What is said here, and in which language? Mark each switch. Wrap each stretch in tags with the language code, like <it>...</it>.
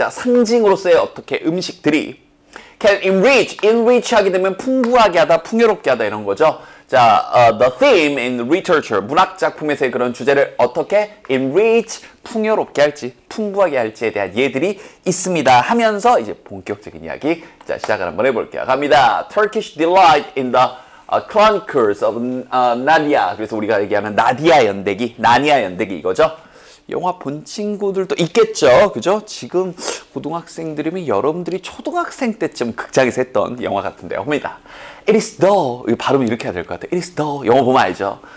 <ko>자 상징으로서의 어떻게 음식들이</ko> <en>Can enrich, enrich</en> <ko>하게 되면 풍부하게 하다, 풍요롭게 하다 이런 거죠. 자,</ko> <en>the theme in literature,</en> <ko>문학 작품에서의 그런 주제를 어떻게 enrich, 풍요롭게 할지, 풍부하게 할지에 대한 예들이 있습니다. 하면서 이제 본격적인 이야기 자 시작을 한번 해볼게요. 갑니다.</ko> <en>Turkish delight in the chronicles of Nadia.</en> <ko>그래서 우리가 얘기하는 나디아 연대기, 나니아 연대기 이거죠. 영화 본 친구들도 있겠죠, 그죠? 지금 고등학생들이면 여러분들이 초등학생 때쯤 극장에서 했던 영화 같은데요. 봅니다.</ko> <en>It is the,</en> <ko>발음이 이렇게 해야 될 것 같아요. It is the, 영어 보면 알죠?</ko>